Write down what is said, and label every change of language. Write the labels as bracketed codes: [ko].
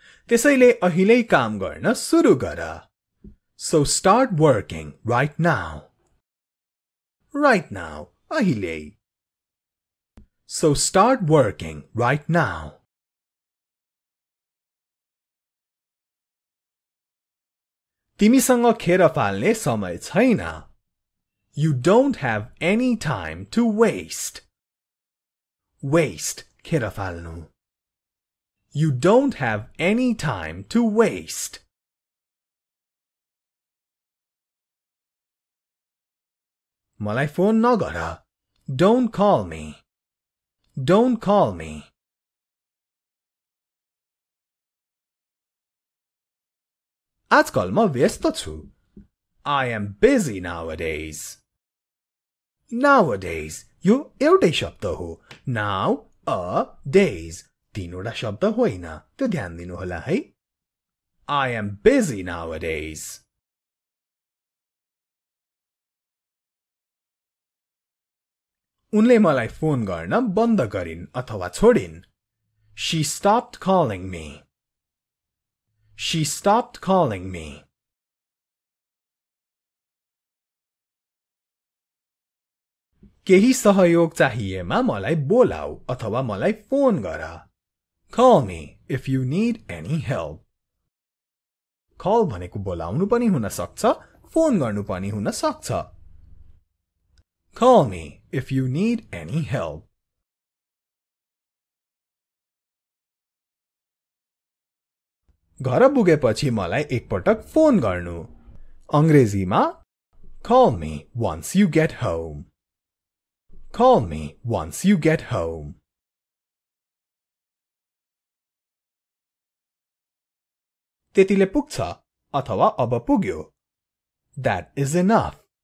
[ne] त्यसैले अहिलै काम गर्न सुरु गर। [en] So start working right now. Right now, अहिलै। So start working right now. [ne] तिमीसँग खेर फाल्ने समय छैन। [en] You don't have any time to waste. [ne] Waste, खेर फाल्नु। [en] You don't have any time to waste. [ne] मलाई फोन नगर। [en] Don't call me. Don't call me. [ne] आजकल म व्यस्त छु। [en] I am busy nowadays. [ne] Nowadays, यो एउटै शब्द हो। Now, a, days, तीनवटा शब्द होइन। त्यो ध्यान दिनु होला है। [en] I am busy nowadays. [ne] उनले मलाई फोन गर्न बन्द गरिन् अथवा छोडिन्। [en] She stopped calling me. She stopped calling me. [ne] केही सहयोग चाहिएमा मलाई बोलाऊ अथवा मलाई फोन गर। [en] Call me if you need any help. [ne] Call भनेको बोलाउनु पनि हुन सक्छ, फोन गर्नु पनि हुन सक्छ। [en] Call me if you need any help. [ne] घर पुगेपछि मलाई एकपटक फोन गर्नु। अंग्रेजीमा [en] Call me once you get home. Call me once you get home. [ne] त्यतिले पुग्छ अथवा अब पुग्यो. [en] That is enough.